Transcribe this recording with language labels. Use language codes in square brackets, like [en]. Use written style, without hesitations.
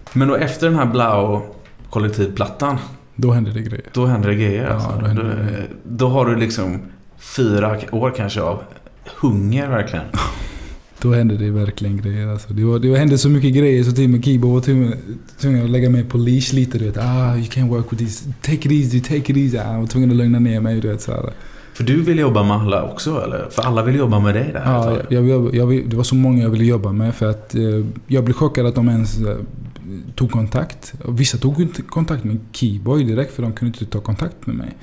[sv] Men då efter den här Blau kollektivplattan, då hände det grejer. Då hände det grejer, ja, alltså. Då har du liksom 4 år kanske av hunger verkligen. Då hände det verkligen grejer alltså. Det hände så mycket grejer, så till med Keyboard och tvungen att lägga mig på leash lite, du vet. [en] Ah, you can't work with these, take it easy. [sv] Jag var tvungen att lugna ner mig, du vet, så här. För du vill jobba med alla också, eller? För alla vill jobba med dig där. Ja, det var så många jag ville jobba med, för att jag blev chockad att de ens tog kontakt. Vissa tog inte kontakt med Keyboy direkt, för de kunde inte ta kontakt med mig.